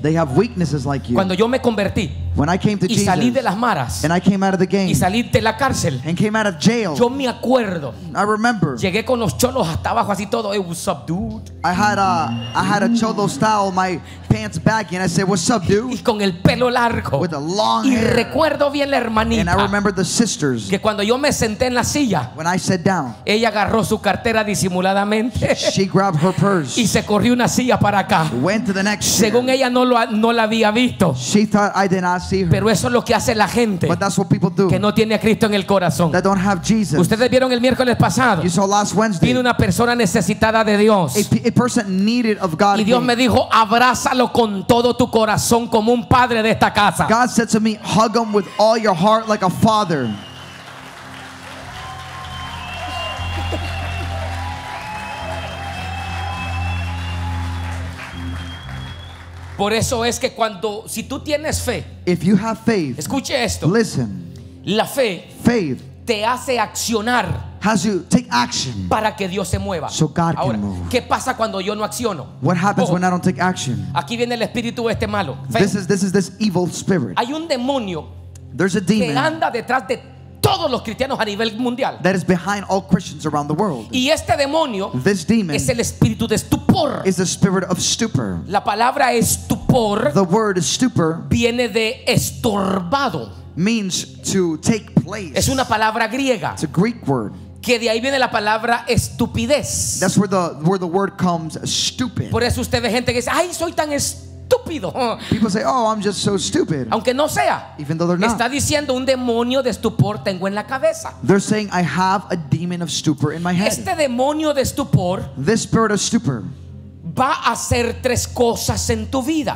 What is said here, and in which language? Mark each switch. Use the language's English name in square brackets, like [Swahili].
[English] They have weaknesses like you. [Spanish] Cuando yo me convertí, [English] When I came to Jesus, [Spanish] y salí de las maras, [English] and I came out of the game, [Spanish] y salí de la cárcel, [English] and came out of jail, [Spanish] yo me acuerdo, [English] I remember, [Spanish] llegué con los cholos hasta abajo así todo, [English] hey, what's up, dude? I had a cholo style, my pants baggy, and I said, what's up, dude? [Spanish] Y con el pelo largo, [English] with a long [Spanish] y [English] hair. [Spanish] Y recuerdo bien la hermanita, [English] and I remember the sisters, [Spanish] que cuando yo me senté en la silla, [English] when I sat down, [Spanish] ella agarró su cartera disimuladamente, [English] she grabbed her purse, [Spanish] y se corrió una silla para acá, [English] went to the next chair. [Spanish] Según ella no la había visto, [English] she thought I did not see. [Spanish] Pero eso es lo que hace la gente que no tiene a Cristo en el corazón. Ustedes vieron el miércoles pasado. Vino una persona necesitada de Dios. Y Dios me dijo, abrázalo con todo tu corazón como un padre de esta casa. [English] God said to me, hug him with all your heart like a father. [Spanish] Por eso es que cuando, si tú tienes fe, [English] if you have faith, [Spanish] escuche esto, [English] listen, [Spanish] la fe, [English] faith, [Spanish] te hace accionar, [English] has you take action, [Spanish] para que Dios se mueva, [English] so God [Spanish] ahora, [English] can move. [Spanish] ¿Qué pasa cuando yo no acciono? [English] What happens when I don't take action? [Spanish] Aquí viene el espíritu este malo, [English] fe. This is evil spirit. [Spanish] Hay un demonio, [English] there's a demon, [Spanish] que anda detrás de todos los cristianos a nivel mundial, [English] that is behind all Christians around the world. [Spanish] Y este demonio, [English] this demon, [Spanish] es el espíritu de estupor, [English] is the spirit of stupor. [Spanish] La palabra estupor, [English] the word stupor, [Spanish] viene de estorbado, [English] means to take place. [Spanish] Es una palabra griega, [English] it's a Greek word, [Spanish] que de ahí viene la palabra estupidez. [English] That's where the word comes, stupid. [Spanish] Por eso usted ve gente que dice, ay, soy tan estúpido. [English] People say, oh, I'm just so stupid. [Spanish] Aunque no sea. [English] Even though they're not. [Spanish] Está diciendo, un demonio de estupor tengo en la cabeza. [English] They're saying, I have a demon of stupor in my head. [Spanish] Este demonio de estupor, [English] this spirit of stupor, [Spanish] va a hacer tres cosas en tu vida.